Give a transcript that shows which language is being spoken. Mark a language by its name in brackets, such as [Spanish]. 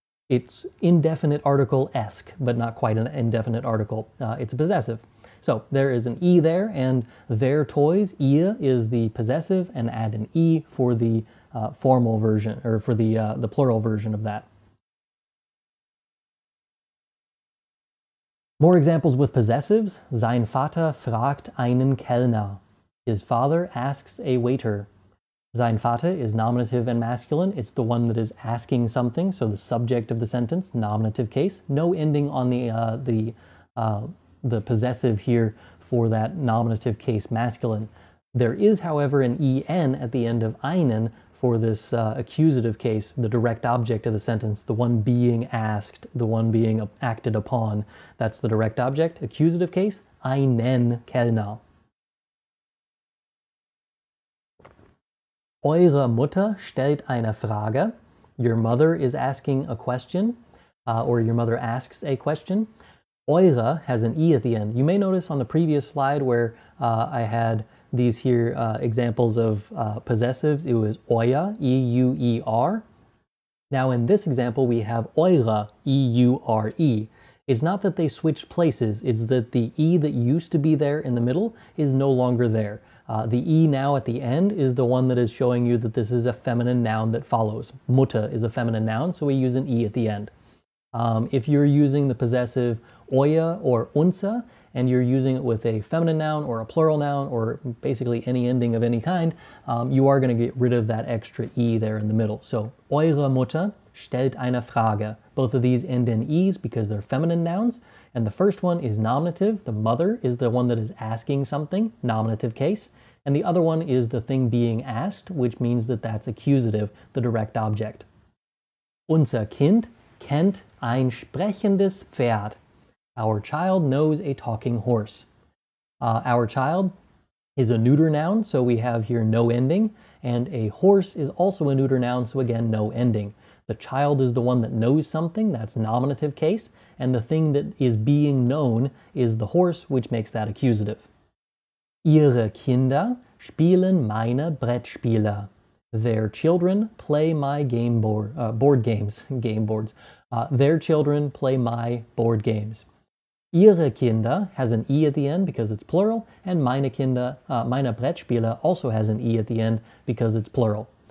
[English] It's indefinite article-esque, but not quite an indefinite article. It's a possessive. So there is an E there, and their toys, ihr, is the possessive, and add an E for the formal version, or for the plural version of that. More examples with possessives. [German] Sein Vater fragt einen Kellner. [English] His father asks a waiter. [German] Sein Vater [English] is nominative and masculine. It's the one that is asking something, so the subject of the sentence, nominative case. No ending on the possessive here for that nominative case masculine. There is, however, an en at the end of einen for this accusative case, the direct object of the sentence, the one being asked, the one being acted upon. That's the direct object, accusative case, [German] einen Kellner. Eure Mutter stellt eine Frage. [English] Your mother is asking a question, or your mother asks a question. Eure has an E at the end. You may notice on the previous slide where I had these here examples of possessives, it was Euer, E-U-E-R. Now in this example, we have Eure, E-U-R-E. It's not that they switched places, it's that the E that used to be there in the middle is no longer there. The E now at the end is the one that is showing you that this is a feminine noun that follows. Mutter is a feminine noun, so we use an E at the end. If you're using the possessive Euer or Unser, and you're using it with a feminine noun or a plural noun or basically any ending of any kind, you are going to get rid of that extra E there in the middle. [German] So, Eure Mutter stellt eine Frage. [English] Both of these end in E's because they're feminine nouns. And the first one is nominative. The mother is the one that is asking something, nominative case. And the other one is the thing being asked, which means that that's accusative, the direct object. [German] Unser Kind kennt ein sprechendes Pferd. [English] Our child knows a talking horse. Our child is a neuter noun, so we have here no ending. And a horse is also a neuter noun, so again, no ending. The child is the one that knows something, that's nominative case. And the thing that is being known is the horse, which makes that accusative. [German] Ihre Kinder spielen meine Brettspiele. [English] Their children play my board games. [German] Ihre Kinder [English] has an E at the end because it's plural, and [German] meine Kinder, meine Brettspiele [English] also has an E at the end because it's plural.